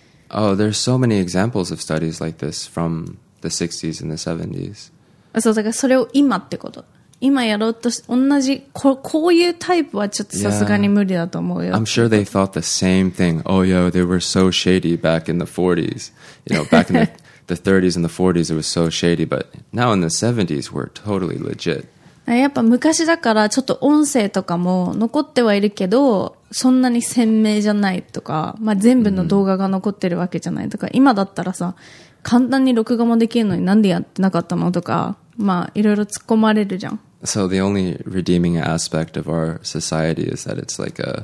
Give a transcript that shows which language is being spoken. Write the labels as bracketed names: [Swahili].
[English] Oh, there's so many examples of studies like this from the 60s and the 70s. So, like, [Japanese] それを今ってこと。今やろうと同じこういうタイプはちょっとさすがに無理だと思うよ。 [English] Yeah. I'm sure they thought the same thing. Oh, yo, they were so shady back in the 40s. You know, back in the the 30s and the 40s, it was so shady, but now in the 70s, we're totally legit. [Japanese] やっぱ昔だからちょっと音声とかも残ってはいるけど、そんなに鮮明じゃないとか、まあ全部の動画が残ってるわけじゃないとか、今だったらさ、簡単に録画もできるのになんでやってなかったのとか、まあいろいろ突っ込まれるじゃん。 [English] So the only redeeming aspect of our society is that it's like a...